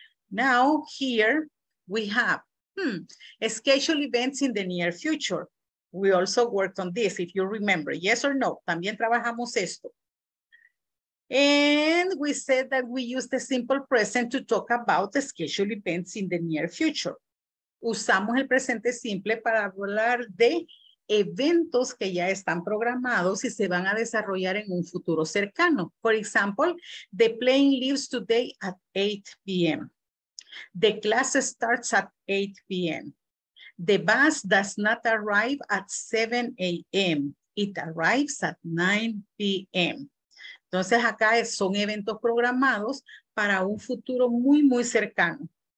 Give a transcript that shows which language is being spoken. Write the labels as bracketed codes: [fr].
[en] Now here we have schedule events in the near future. We also worked on this, if you remember, yes or no, [es] también trabajamos esto. [en] And we said that we use the simple present to talk about the schedule events in the near future. [es] Usamos el presente simple para hablar de eventos que ya están programados y se van a desarrollar en un futuro cercano. [en] For example, the plane leaves today at 8 p.m. The class starts at 8 p.m. The bus does not arrive at 7 a.m. It arrives at 9 p.m. [es] Entonces acá son eventos programados para un futuro muy, muy cercano.